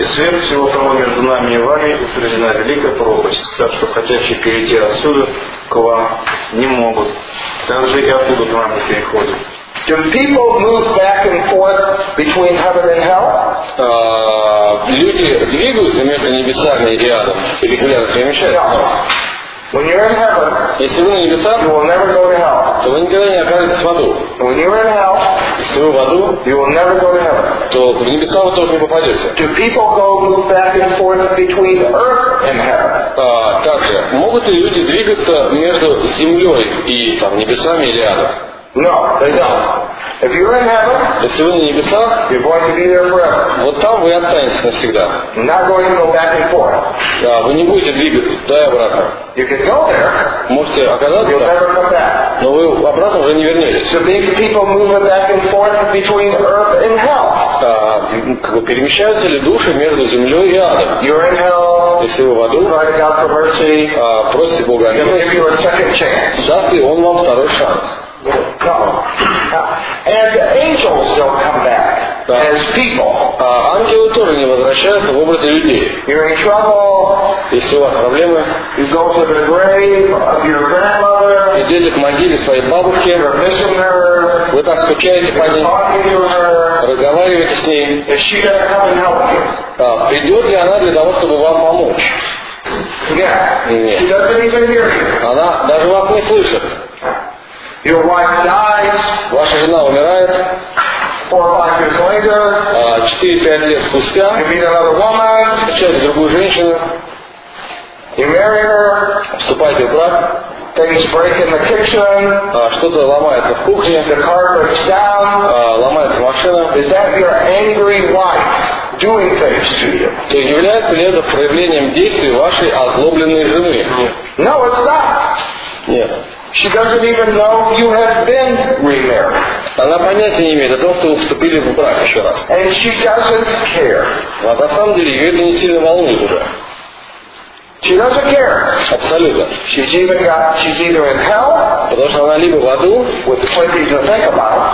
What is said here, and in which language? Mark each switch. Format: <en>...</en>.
<ru>И сверх всего того между нами и вами утверждена великая пропасть, так что хотящие перейти отсюда к вам не могут. Так же и оттуда к вам не переходят.</ru> <en>Do people move back and forth between heaven and hell?</en> <ru>Люди двигаются между небесами и адом, регулярно перемещаются.</ru> <en>When you're in heaven,</en> <ru>если вы на небесах,</ru> <en>you will never go to hell.</en> <ru>То вы никогда не окажетесь в аду.</ru> <en>When you're in hell,</en> <ru>если вы в аду,</ru> <en>you will never go to heaven.</en> <ru>То в небеса вы тоже не попадете.</ru> <en>Do people go move back and forth between earth and heaven?</en> <ru>Также, могут ли люди двигаться между землей и там небесами или адом?</ru> <en>No, they don't. If you're in heaven,</en> <ru>если вы на небесах,</ru> <en>you're going to be there forever.</en> <ru>Вот там вы останетесь навсегда.</ru> <en>Not going to go back and forth.</en> <ru>Да, вы не будете двигаться туда и обратно.</ru> <en>You can go there.</en> <ru>Можете оказаться там.</ru> <en>You'll never come back.</en> <ru>Но вы обратно уже не вернетесь.</ru> <en>So big people move back and forth between earth and hell.</en> <ru>Как бы перемещаются ли души между землей и адом?</ru> <en>You're in hell.</en> <ru>Если вы в аду,</ru> <en>crying out for mercy,</en> <ru>просите Бога о милости. Даст ли Он вам второй шанс?</ru> <en>Come. And angels don't come back as people.</en> <ru>Ангелы тоже не возвращаются в образе людей.</ru> <en>You're in trouble.</en> <ru>Если у вас проблемы,</ru> <en>you go to the grave of your grandmother.</en> <ru>Идете к могиле своей бабушки.</ru> <en>You're missing her.</en> <ru>Вы так скучаете по ней.</ru> <en>You're talking to her.</en> <ru>Разговариваете с ней.</ru> <en>Is she gonna come and help you?</en> <ru>Придет ли она для того, чтобы вам помочь?</ru> <en>Yeah.</en> <ru>Нет.</ru> <en>She doesn't even hear you.</en> <ru>Она даже вас не слышит.</ru> <en>Your wife dies.</en> <ru>Ваша жена умирает.</ru> <en>4-5 years later.</en> <ru>4-5 лет спустя.</ru> <en>You meet another woman.</en> <ru>Встречаете другую женщину.</ru> <en>You marry her.</en> <ru>Вступаете в брак.</ru> <en>Things break in the kitchen.</en> <ru>Что-то ломается в кухне.</ru> <en>The car breaks down.</en> <ru>Ломается машина.</ru> <en>Is that your angry wife doing things to you?</en> <ru>То является ли это проявлением действий вашей озлобленной жены?</ru> <en>No, it's not.</en> <ru>Нет.</ru> <en>She doesn't even know you have been remarried.</en> <ru>Она понятия не имеет о том, что вы вступили в брак еще раз.</ru> <en>And she doesn't care.</en> <ru>А на самом деле ее это не сильно волнует уже.</ru> <en>She doesn't care.</en> <ru>Абсолютно.</ru> <en>She's either in hell.</en> <ru>Потому что она либо в аду.</ru> <en>With plenty to think about.</en>